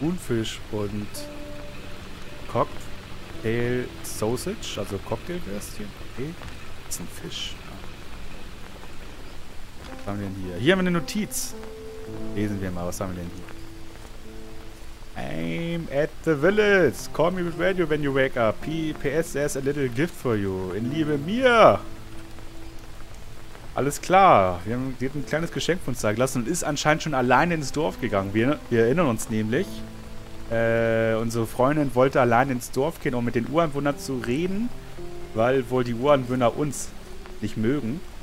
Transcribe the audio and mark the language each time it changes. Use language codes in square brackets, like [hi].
[de] Thunfisch und [en] Cocktail Sausage. [de] Also Cocktailwürstchen. Okay. Das ist ein Fisch. Was haben wir denn hier? Hier haben wir eine Notiz. Lesen wir mal, was haben wir denn hier? [en] I'm at the village. Call me with radio when you wake up. PS, there's a little gift for you. [de] In Liebe mir. Alles klar. Wir haben ein kleines Geschenk von uns da gelassen und ist anscheinend schon alleine ins Dorf gegangen. Wir erinnern uns nämlich. Unsere Freundin wollte alleine ins Dorf gehen, um mit den Ureinwohnern zu reden, weil wohl die Ureinwohner uns nicht mögen.